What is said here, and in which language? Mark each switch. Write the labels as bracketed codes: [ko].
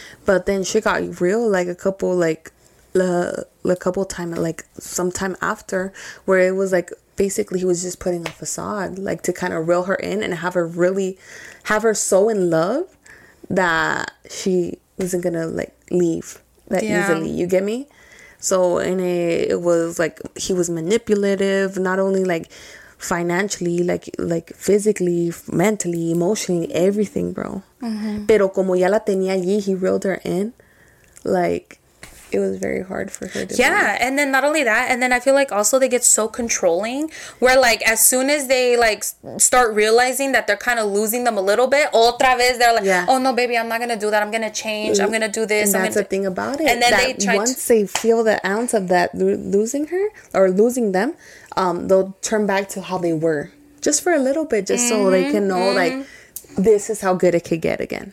[en] But then she got real, like, a couple, like, sometime after, where it was, like, basically he was just putting a facade, like, to kind of reel her in and have her really, have her so in love that she wasn't gonna, like, leave that easily. You get me? So, and it was, like, he was manipulative, not only, like, financially, like physically, mentally, emotionally, everything, bro. [es] Pero como ya la tenía allí, he reeled her in. [en] Like, it was very hard for her to Believe. And then not only that, and then I feel like also they get so controlling, where, like, as soon as they, like, start realizing that they're kind of losing them a little bit, otra vez, they're like, oh, no, baby, I'm not going to do that. I'm going to change. I'm going to do this. And I'm that's the thing about it. And then they try once they feel the ounce of that losing her or losing them, they'll turn back to how they were just for a little bit, just so they can know, like, this is how good it could get again.